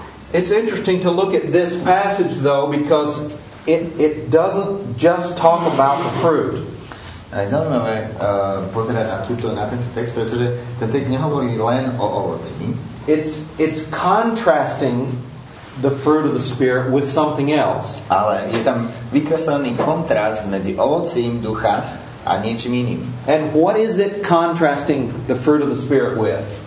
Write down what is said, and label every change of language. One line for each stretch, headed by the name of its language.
English: It's interesting to look at this passage, though, because it doesn't just talk about the fruit.
Slovak: Je zaujímavé pozerať na tento text, pretože ten text nehovorí len o ovoci.
English: It's contrasting the fruit of the Spirit with something else.
Slovak: Ale je tam vykreslený kontrast medzi ovocím ducha a niečím iným.
English: And what is it contrasting the fruit of the Spirit with?